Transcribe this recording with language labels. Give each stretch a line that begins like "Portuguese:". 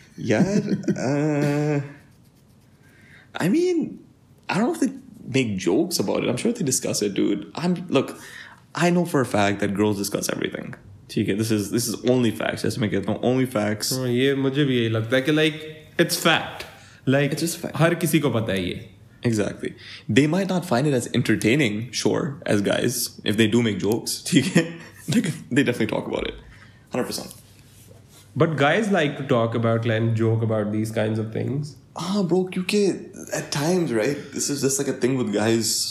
English: यार, I mean, I don't know if they make jokes about it. I'm sure they discuss it, dude. Look, I know for a fact that girls discuss everything. ठीक है, this is only facts. Just make it only facts.
Hindi: ये मुझे भी यही लगता है कि
English: like it's fact. Like it's just fact.
Hindi: हर किसी को पता है ये.
English: Exactly. They might not find it as entertaining, sure, as guys, if they do make jokes. They definitely talk about it. 100%. But guys like to talk about and joke about these kinds of things. Ah, bro, because at times, right? This is just like a thing with guys.